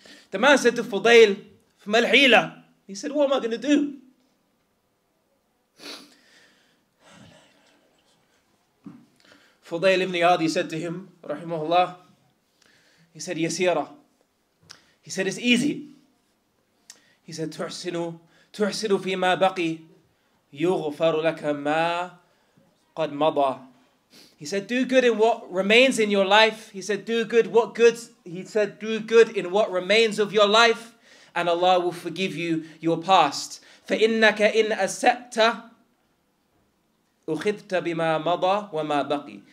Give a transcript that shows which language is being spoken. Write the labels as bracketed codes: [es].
[en] The man said to Fudayl, [ar] فَمَا الْحِيلَ? [en] He said, what am I going to do? Fudayl ibn Iyad, he said to him, rahimahullah, he said, [ar] يَسِيرَ. [en] He said, it's easy. He said, [ar] تُحْسِنُ فِي مَا بَقِي يُغْفَرُ لَكَ مَا قَدْ مَضَى. [en] He said, do good in what remains in your life. He said, do good what good. He said, do good in what remains of your life, and Allah will forgive you your past. [ar] فَإِنَّكَ إِنْ أَسَأْتَ أُخِذْتَ بِمَا مَضَى وَمَا بَقِي.